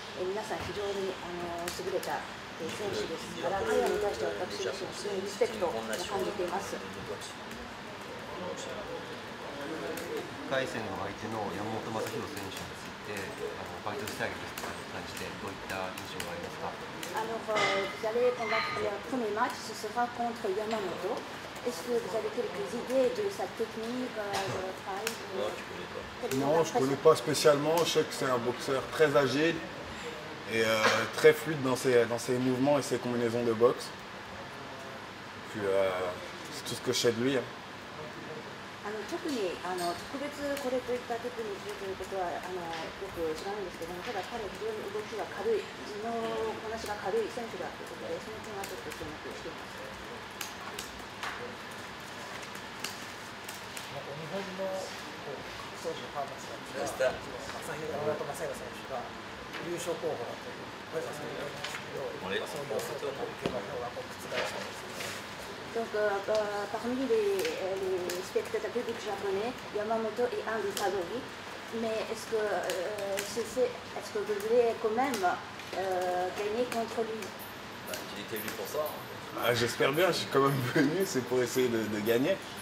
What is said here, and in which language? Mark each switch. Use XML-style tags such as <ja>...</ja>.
<ja>皆さん非常に優れた選手ですから、彼らに対して私自身は強いリスペクトを感じています。 1回戦の相手の山本雅弘選手についてファイトスタイルとして感じてどういった印象がありますか？</ja> <fr>Vous allez combattre le premier match, ce sera contre Yamamoto. Est-ce que vous avez quelques idées de sa technique, de taille? Non, je ne connais pas spécialement. Je sais que c'est un boxeur très agile et très fluide dans ses mouvements et ses combinaisons de boxe. Puis, c'est tout ce que je sais de lui.</fr> <ja>特に特別これといったテクニックということはよく知らないんですけども、ただ彼は非常に動きが軽い、身のこなしが軽い選手だということで、その点はちょっと注目しています。日本の当時のファーマスターですが、山本雅弘選手が優勝候補だという声がされているんですけど、その予想を受けた方が覆したんですね。</ja> <fr>Donc, parmi les spectateurs publics japonais, Yamamoto est un des favoris. Mais est-ce que vous voulez quand même gagner contre lui? Tu dis que t'es venu pour ça. Ah, j'espère bien, je suis quand même venu, c'est pour essayer de gagner.</fr>